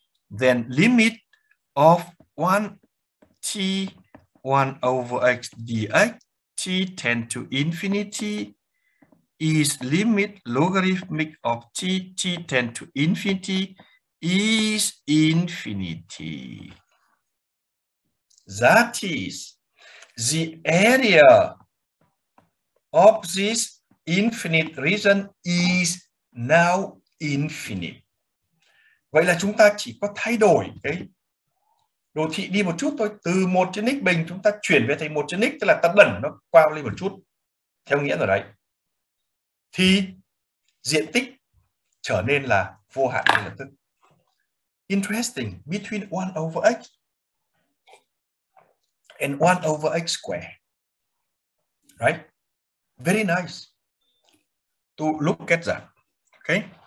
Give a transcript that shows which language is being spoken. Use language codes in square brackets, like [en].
[en] Then limit of 1 t 1 over x dx t tend to infinity is limit logarithmic of t t tend to infinity is infinity. That is the area of this infinite region is now infinite. [vi] Vậy là chúng ta chỉ có thay đổi cái đồ thị đi một chút thôi, từ một trên x bình chúng ta chuyển về thành một trên x, tức là ta đẩn nó qua lên một chút theo nghĩa rồi đấy, thì diện tích trở nên là vô hạn ngay lập tức. [en] Interesting, between 1 over x and 1 over x square. Right? Very nice to look at that. Okay?